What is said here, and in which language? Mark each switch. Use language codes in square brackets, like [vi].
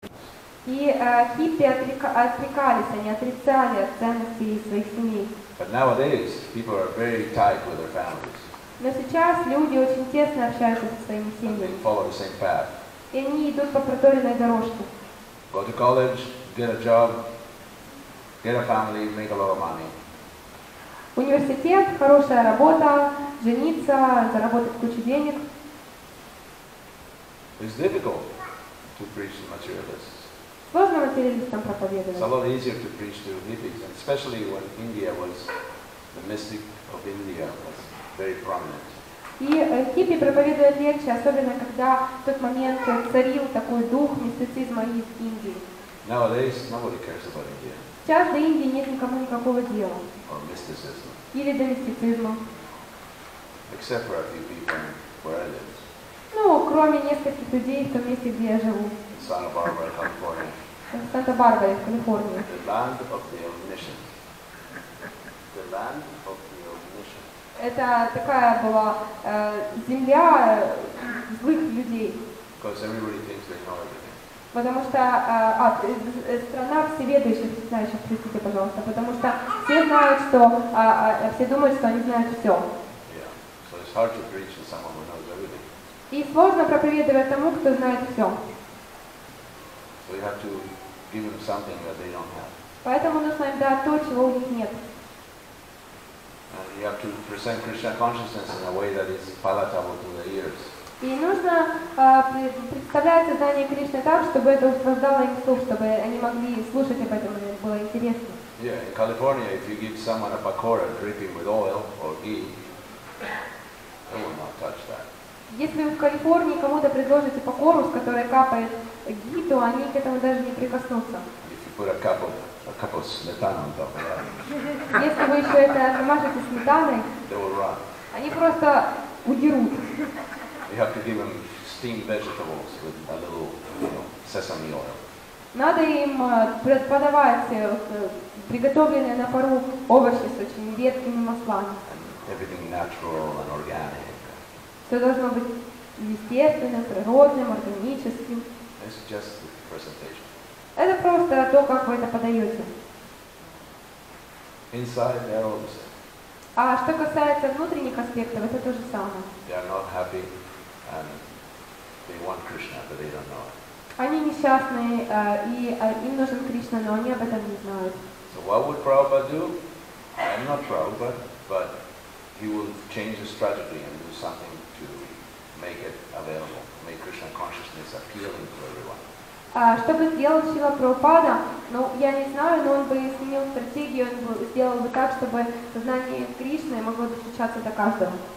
[ru] И хиппи отрекались, они отрицали от ценностей своих семей. [en] But nowadays, people are very tight with their families. [ru] Но сейчас люди очень тесно общаются со своими семьями. [en] And they follow the same path. [ru] И они идут по проторенной дорожке. [en] Go to college, get a job, get a family, make a lot of money. [ru] Университет, хорошая работа, жениться, заработать кучу денег. [en] It's difficult to preach to materialists. [ru] Сложно материалистам проповедовать. [en] It's a lot easier to preach to hippies, especially when India was, the mystic of India was very prominent. [ru] И хиппи проповедуют легче, особенно когда в тот момент царил такой дух мистицизма из Индии. [en] Nowadays, nobody cares about India. [ru] Сейчас до Индии нет никому никакого дела. [en] Or mysticism. [ru] Или до мистицизма. [en] Except for a few people where I live. [ru] Ну, кроме нескольких людей в том месте, где я живу. Санта-Барбара, Калифорния. [en] The land of the omniscient. The land of the omniscient. [ru] Это такая была земля злых людей. [en] Because everybody thinks they know everything. [ru] Потому что страна всеведущих, знающих, простите, пожалуйста, потому что все знают, что все думают, что они знают все. [en] Yeah. So it's hard to preach to someone who knows everything. [ru] И сложно проповедовать тому, кто знает все. [en] So you have to give them something that they don't have. [ru] Поэтому нужно им дать то, чего у них нет. [en] And you have to present Krishna consciousness in a way that is palatable to the ears. [ru] И нужно представлять сознание Кришны так, чтобы это воздало им слух, чтобы они могли слушать об этом, и было интересно. [en] Yeah, in California, if you give someone a pakora dripping with oil or ghee, they will not touch that. [ru] Если в Калифорнии кому-то предложите покору, с которой капает ги, то они к этому даже не прикоснутся. Если вы еще это намажете сметаной, [en] they will run. [ru] Они просто удерут. [en] You have to give them steamed vegetables with a little, you know, sesame oil. [ru] Надо им подавать приготовленные на пару овощи с очень редкими маслами. [en] And everything natural and organic. [ru] Все должно быть естественным, природным, органическим. [en] It's just the presentation. [ru] Это просто то, как вы это подаете. [en] Inside, they're all the same. [ru] А что касается внутренних аспектов, это то же самое. [en] They are not happy and they want Krishna, but they don't know it. [ru] Они несчастные, им нужен Кришна, но они об этом не знают. [en] So what would Prabhupada do? I'm not Prabhupada, but he will change the strategy and do something. Make it available. Make Krishna consciousness appealing to everyone. [ru] Что бы сделал Шрила Прабхупада? Ну, я не знаю, но он бы изменил стратегию, он бы сделал бы так, чтобы сознание Кришны могло достучаться до каждого.